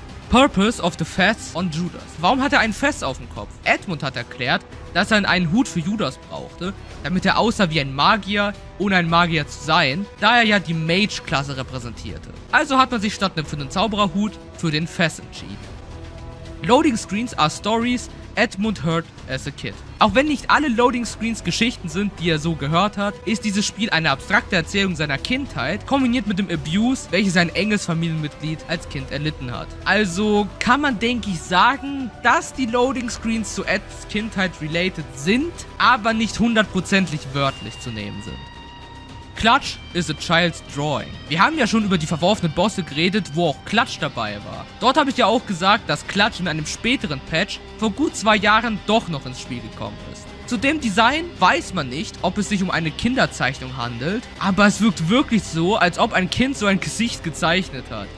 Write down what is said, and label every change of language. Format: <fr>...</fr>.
<en>Purpose of the Fez on Judas.</en> <de>Warum hat er einen Fez auf dem Kopf? Edmund hat erklärt, dass er einen Hut für Judas brauchte, damit er aussah wie ein Magier, ohne ein Magier zu sein, da er ja die Mage-Klasse repräsentierte. Also hat man sich statt für den Zaubererhut für den Fez entschieden.</de> <en>Loading Screens are Stories Edmund heard as a kid.</en> <de>Auch wenn nicht alle Loading Screens Geschichten sind, die er so gehört hat, ist dieses Spiel eine abstrakte Erzählung seiner Kindheit, kombiniert mit dem Abuse, welches ein enges Familienmitglied als Kind erlitten hat. Also kann man, denke ich, sagen, dass die Loading Screens zu Eds Kindheit related sind, aber nicht hundertprozentig wörtlich zu nehmen sind.</de> <en>Clutch is a child's drawing.</en> <de>Wir haben ja schon über die verworfenen Bosse geredet, wo auch Clutch dabei war. Dort habe ich ja auch gesagt, dass Clutch in einem späteren Patch vor gut 2 Jahren doch noch ins Spiel gekommen ist. Zu dem Design weiß man nicht, ob es sich um eine Kinderzeichnung handelt, aber es wirkt wirklich so, als ob ein Kind so ein Gesicht gezeichnet hat.</de>